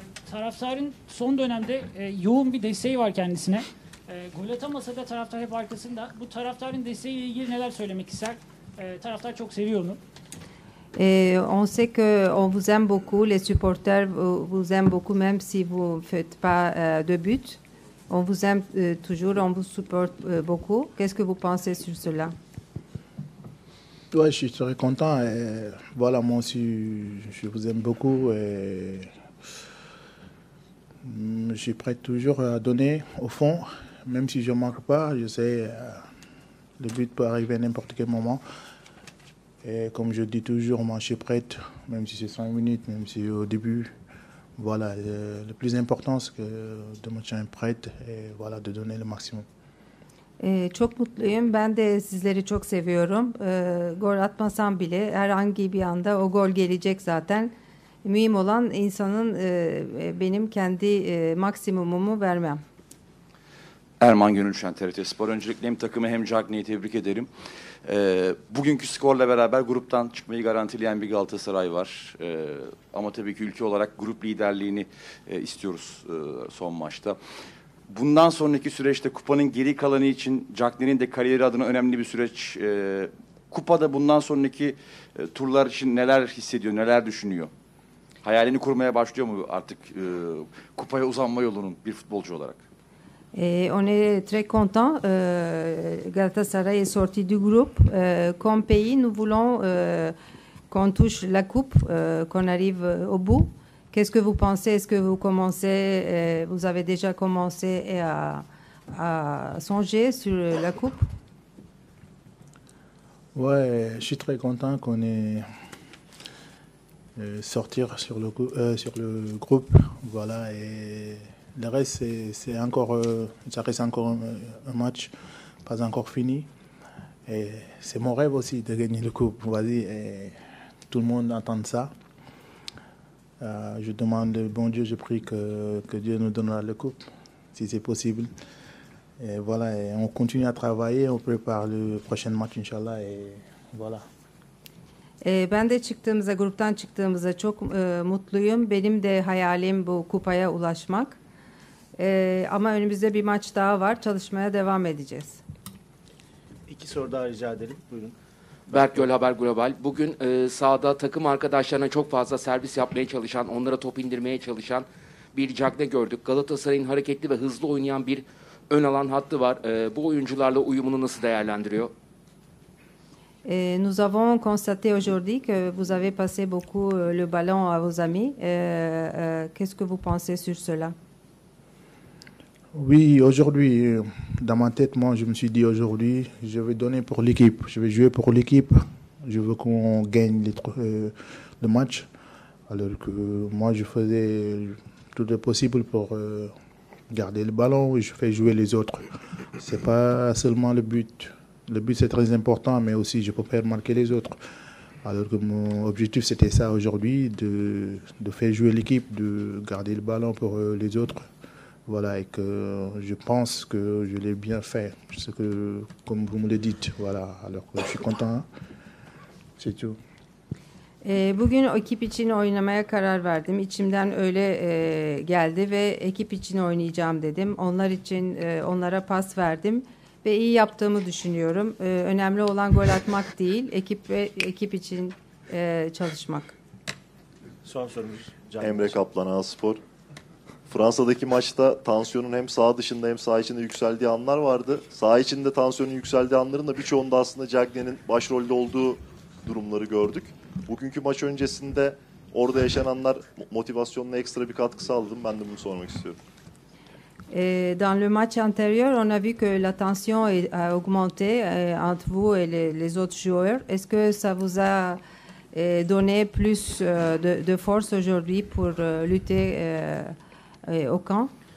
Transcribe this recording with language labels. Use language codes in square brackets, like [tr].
[tr] Taraftarın son dönemde yoğun bir desteği var kendisine. Gol atamasa da taraftar hep arkasında. Bu taraftarın desteğiyle ilgili neler söylemek ister? Taraftar çok seviyor onu. [fr] On sait que on vous aime beaucoup, les supporters vous aiment beaucoup, même si vous ne faites pas de but. On vous aime toujours, on vous supporte beaucoup. Qu'est-ce que vous pensez sur cela? Oui, je suis très content. Et voilà, moi aussi, je vous aime beaucoup. Et je suis prêt toujours à donner au fond, même si je ne manque pas. Je sais, le but peut arriver à n'importe quel moment. Et comme je dis toujours, moi, je suis prête, même si c'est 5 minutes, même si au début, voilà, le plus important, c'est que de me tenir prête et voilà, de donner le maximum. [tr] Çok mutluyum. Ben de sizleri çok seviyorum. Gol atmasam bile herhangi bir anda o gol gelecek zaten. Mühim olan insanın benim kendi maksimumumu vermem. Erman Gönülşen, TRT Spor. Öncelikle hem takımı hem Cagney'i tebrik ederim. Bugünkü skorla beraber gruptan çıkmayı garantileyen bir Galatasaray var. Ama tabii ki ülke olarak grup liderliğini istiyoruz son maçta. Bundan sonraki süreçte kupanın geri kalanı için Cagney'in de kariyeri adına önemli bir süreç. Kupada bundan sonraki turlar için neler hissediyor, neler düşünüyor? Hayalini kurmaya başlıyor mu artık kupaya uzanma yolunun bir futbolcu olarak? [fr] On est très content. Galatasaray est sorti du groupe. Comme pays, nous voulons qu'on touche la coupe, qu'on arrive au bout. Qu'est-ce que vous pensez? Est-ce que vous commencez, vous avez déjà commencé à songer sur la coupe? Ouais, je suis très content qu'on ait sorti sur le groupe. Voilà, et le reste, c'est encore, ça reste encore un match pas encore fini. Et c'est mon rêve aussi de gagner le coupe. Vas-y, et tout le monde entend ça. Je demande le bon Dieu, je prie que Dieu nous donnera le coupe, si c'est possible. Et voilà, et on continue à travailler, on prépare le prochain match, Inch'Allah. Et voilà. [tr] Ben de çıktığımıza, gruptan çıktığımıza çok mutluyum. Benim de hayalim bu kupaya ulaşmak. Ama önümüzde bir maç daha var. Çalışmaya devam edeceğiz. İki soru daha rica edelim. Buyurun. Berk Göl, Haber Global. Bugün sahada takım arkadaşlarına çok fazla servis yapmaya çalışan, onlara top indirmeye çalışan bir Cagney gördük. Galatasaray'ın hareketli ve hızlı oynayan bir ön alan hattı var. Bu oyuncularla uyumunu nasıl değerlendiriyor? [fr] Nous avons constaté aujourd'hui que vous avez passé beaucoup le ballon à vos amis. Qu'est-ce que vous pensez sur cela? Oui, aujourd'hui, dans ma tête, moi, je me suis dit aujourd'hui, je vais donner pour l'équipe, je vais jouer pour l'équipe, je veux qu'on gagne le match, alors que moi, je faisais tout le possible pour garder le ballon, je fais jouer les autres. C'est pas seulement le but c'est très important, mais aussi je peux faire marquer les autres. Alors que mon objectif, c'était ça aujourd'hui, de faire jouer l'équipe, de garder le ballon pour les autres. Voilà, et que je pense que je l'ai bien fait, ce que, comme vous me le dites, voilà. Alors je suis content, c'est tout. [tr] Bugün ekip için oynamaya karar verdim. İçimden öyle geldi ve ekip için oynayacağım dedim. Onlar için, onlara pas verdim ve iyi yaptığımı düşünüyorum. Önemli olan gol atmak değil, ekip için çalışmak. Son sorumuz. Emre Kaplan, Anaspor. Fransa'daki maçta tansiyonun hem sağ dışında hem sağ içinde yükseldiği anlar vardı. Sağ içinde tansiyonun yükseldiği anların da birçoğunda aslında Cagney'in başrolde olduğu durumları gördük. Bugünkü maç öncesinde orada yaşananlar motivasyonuna ekstra bir katkı sağladı mı? Ben de bunu sormak istiyorum. [fr] Dans le match antérieur, on a vu que la tension a augmenté entre vous et les autres joueurs. Est-ce que ça vous a donné plus de force aujourd'hui pour lutter au camp?